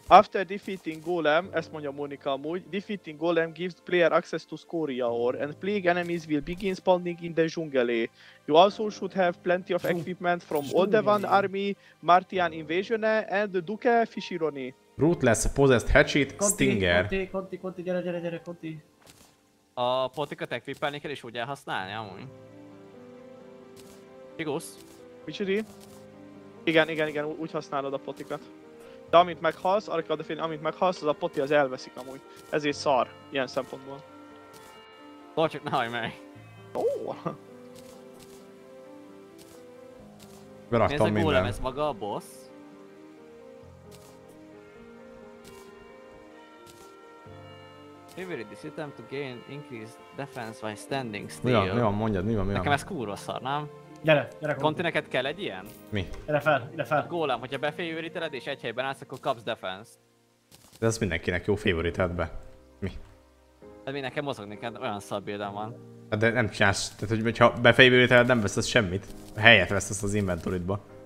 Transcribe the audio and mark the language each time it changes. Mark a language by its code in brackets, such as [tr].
[en] After defeating Golem, [hu] ezt mondja Mónika amúgy, [en] defeating Golem gives player access to Scoria Ore, and plague enemies will begin spawning in the jungle. You also should have plenty of equipment from Oldevan army, Martian invasione, and Duke Fishironi. Rootless Possessed Hatchet Stinger. [hu] Conti, gyere, Conti. A potikat equipelni kell és úgy elhasználni amúgy. Igaz? Micsiri? Igen, úgy használod a potikat. De amint meghalsz, arra kell definiálni, amint meghalsz, az a poti az elveszik amúgy. Ezért szar, ilyen szempontból. Tudj csak, ne hallj meg. Beraktam minden. Mi ez a gólem, ez maga a boss? [en] Favorite this item to gain increased defense by standing still. [hu] Mi van, mondjad, mi van. Nekem ez kurva szar, nem? Gyere. Conti, neked kell egy ilyen? Mi? Ide fel. Gólem, hogyha befavoriteled és egy helyben állsz, akkor kapsz defense-t. De ez mindenkinek jó favoriteledbe. Mi? Hát mi, nekem mozogni kell, olyan szar build-em van. Hát de nem csinálsz, tehát hogyha befavoriteled, nem veszesz semmit. Helyet veszesz az inventory-dba.